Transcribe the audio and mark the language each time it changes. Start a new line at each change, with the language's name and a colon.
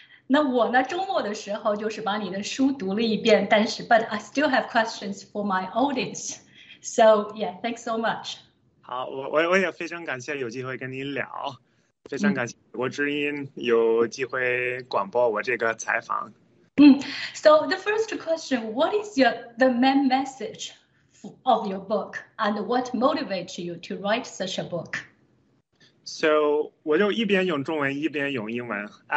Chinese: 那我呢，周末的时候就是把你的书读了一遍，但是
English: but I still have questions for my audience. So yeah, thanks so much.
Chinese: 好，我也非常感谢有机会跟您聊，非常感谢美国之音有机会广播我这个采访。
English: So the first question, what is the main message of your book, and what motivates you to write such a book?
Chinese: So 我就一边用中文一边用英文。